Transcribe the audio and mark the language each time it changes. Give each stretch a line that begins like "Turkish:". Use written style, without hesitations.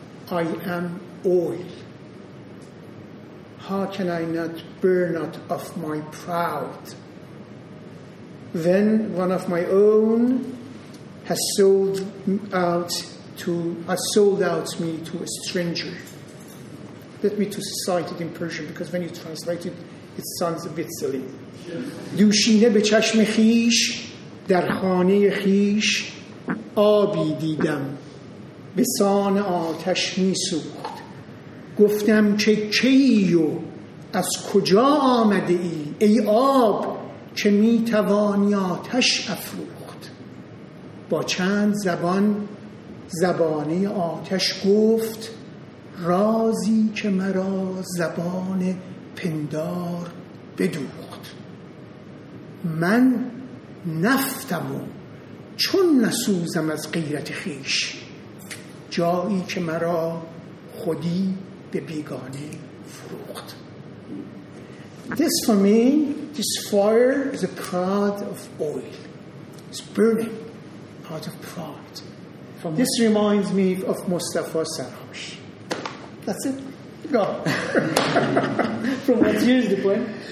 English: I am oil. How can I not burn out of my pride? Then one of my own has sold out me to a stranger.'" Let me to cite it in Persian, because when you translate it, it sounds a bit silly.
Persian: "دوشینه به چشم خیش در خانه خیش آبی دیدم به سان آتش می سوخت. گفتم چه کی و از کجا آمده ای؟ ای آب چه می توانی آتش افروخت؟ با چند زبانه آتش گفت رازی که مرا زبان پندار بدوخت. من نفتم و چون نسوزم از غیرت خیش جایی که مرا خودی به بیگانه فروخت."
English: This for me, this fire is a pride of oil. It's burning, part of pride. This reminds me of Mustafa Sarkhosh. That's it. Go. From what year is the poem?